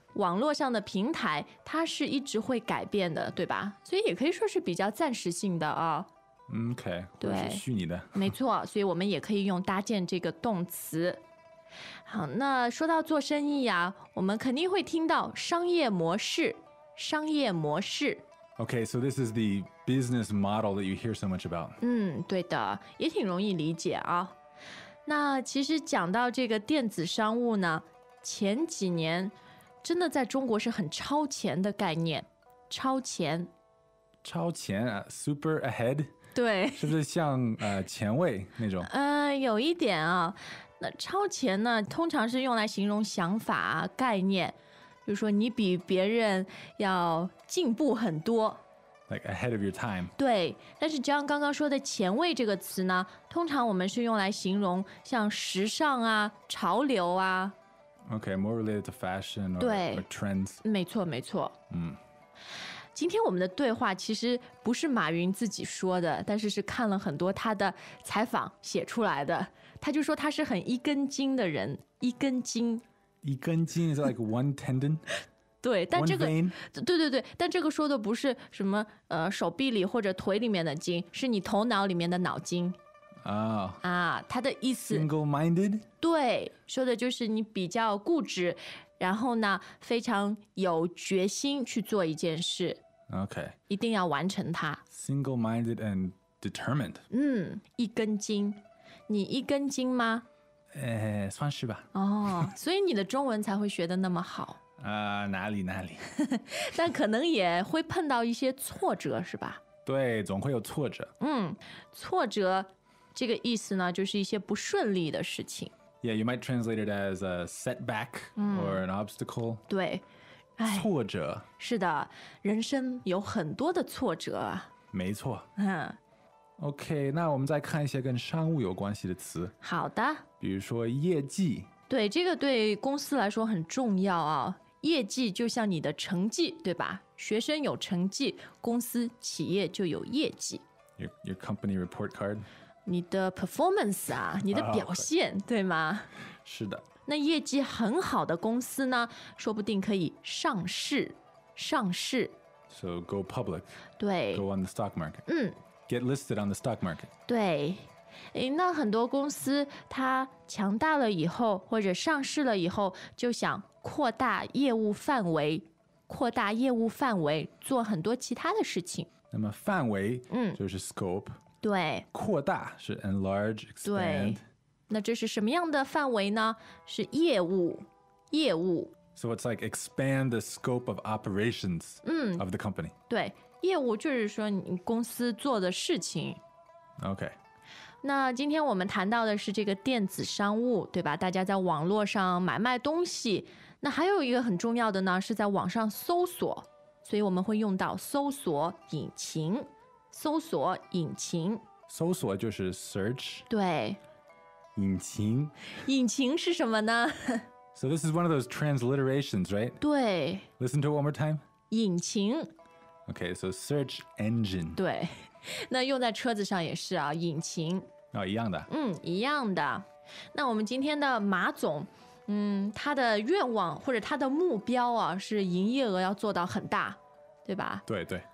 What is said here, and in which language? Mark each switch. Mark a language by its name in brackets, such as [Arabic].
[Chinese] 网络上的平台它是一直会改变的，对吧？所以也可以说是比较暂时性的啊。 OK，对，是虚拟的，没错。所以我们也可以用搭建这个动词。好，那说到做生意啊，我们肯定会听到商业模式，商业模式。 [English] OK， so this is the business model that you hear so much about。 [Chinese] 嗯，对的，也挺容易理解啊。那其实讲到这个电子商务呢，前几年真的在中国是很超前的概念，超前，超前啊 ， [English] super ahead， [Chinese] 对，是不是像前卫那种？有一点啊。那超前呢，通常是用来形容想法、概念，就是说你比别人要进步很多 [English] ，like ahead of your time。 [Chinese] 对，但是就像刚刚说的前卫这个词呢，通常我们是用来形容像时尚啊、潮流啊。 [English] Okay, more related to fashion or trends. [Chinese] 没错，没错。嗯，今天我们的对话其实不是马云自己说的，但是是看了很多他的采访写出来的。他就说他是很一根筋的人，一根筋。 [English] 一根筋 is like one tendon. [Chinese] 对，但这个对对对，但这个说的不是什么手臂里或者腿里面的筋，是你头脑里面的脑筋。啊，他的意思 [English] Single-minded? [Chinese] 对，说的就是你比较固执，然后呢非常有决心去做一件事。 OK，一定要完成它。 [English] Single-minded and determined。 [Chinese] 嗯，一根筋。你一根筋吗？算是吧。哦，所以你的中文才会学得那么好。哪里哪里。但可能也会碰到一些挫折，是吧？对，总会有挫折。嗯，挫折这个意思呢，就是一些不顺利的事情。 [English] Yeah, you might translate it as a setback or an obstacle. [Chinese] 对，挫折。是的，人生有很多的挫折。没错。嗯。 OK, 那我们再看一些跟商务有关系的词。好的。比如说业绩。对，这个对公司来说很重要啊。业绩就像你的成绩，对吧？学生有成绩，公司企业就有业绩。 [English] Your company report card? [Chinese] 你的 performance 啊，你的表现、对吗？是的。那业绩很好的公司呢，说不定可以上市。上市。 [English] So go public. [Chinese] 对。 [English] Go on the stock market. [Chinese] 嗯。 [English] Get listed on the stock market. [Chinese] 对。那很多公司它强大了以后，或者上市了以后，就想扩大业务范围，扩大业务范围，做很多其他的事情。那么范围就是 scope。嗯，对，扩大是 [English] enlarge, expand。 [Chinese] 对，那这是什么样的范围呢？是业务，业务。 [English] So it's like expand the scope of operations of the company。 [Chinese] 对，业务就是说你公司做的事情。 OK。那今天我们谈到的是这个电子商务，对吧？大家在网络上买卖东西，那还有一个很重要的呢，是在网上搜索，所以我们会用到搜索引擎。搜索引擎，搜索就是 search。对，引擎，引擎是什么呢？ [English] So this is one of those transliterations, right? [Chinese] 对， [English] Listen to it one more time. [Chinese] 引擎。 [English] Okay, so search engine. [Chinese] 对，那用在车子上也是啊，引擎。哦，一样的。嗯，一样的。那我们今天的马总，他的愿望或者他的目标啊，是营业额要做到很大，对吧？对对。